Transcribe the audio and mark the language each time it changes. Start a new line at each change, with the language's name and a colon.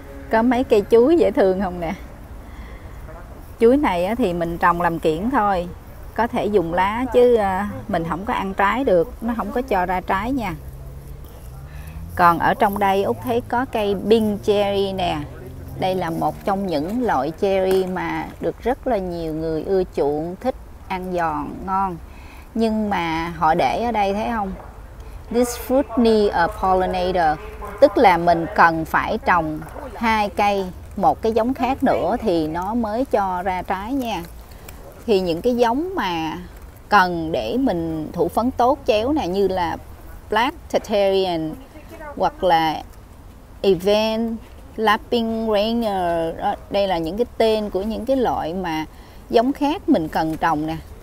Vietnamese: Có mấy cây chuối dễ thương không nè. Chuối này thì mình trồng làm kiểng thôi, có thể dùng lá chứ mình không có ăn trái được, nó không có cho ra trái nha. Còn ở trong đây Út thấy có cây Pink Cherry nè. Đây là một trong những loại cherry mà được rất là nhiều người ưa chuộng, thích ăn giòn, ngon. Nhưng mà họ để ở đây thấy không?
English: This fruit needs a pollinator.
Vietnamese: Tức là mình cần phải trồng hai cây một cái giống khác nữa thì nó mới cho ra trái nha. Thì những cái giống mà cần để mình thụ phấn tốt chéo nè, như là Black Tartarian hoặc là Event Lapping Rainier, đây là những cái tên của những cái loại mà giống khác mình cần trồng nè.